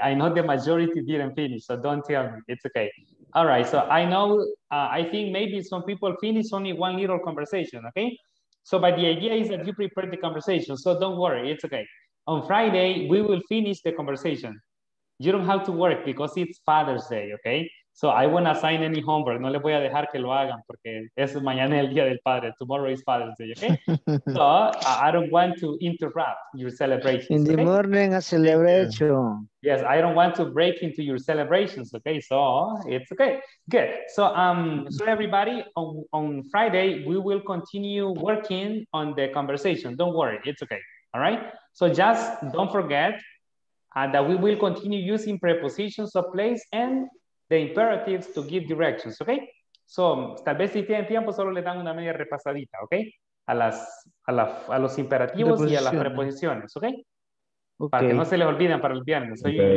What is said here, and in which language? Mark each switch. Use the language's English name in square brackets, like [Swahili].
[English] I know the majority didn't finish, so don't tell me, it's okay. All right, so I know, I think maybe some people finish only one little conversation, okay? So, but the idea is that you prepare the conversation, so don't worry, it's okay. On Friday, we will finish the conversation. You don't have to work because it's Father's Day, okay? So I won't assign any homework. [Spanish] No le voy a dejar que lo hagan porque es mañana el día del padre. [English] Tomorrow is Father's Day, okay? So I don't want to interrupt your celebrations. In the morning, a celebration. Yes, I don't want to break into your celebrations, okay? So it's okay. Good. So so everybody, on Friday, we will continue working on the conversation. Don't worry, it's okay, all right? So just don't forget that we will continue using prepositions of place and the imperatives to give directions, okay? [Spanish] So, tal vez si tienen tiempo, solo le dan una media repasadita, okay? A los imperativos y a las preposiciones, okay? Okay? Para que no se les olviden para el viernes, so okay.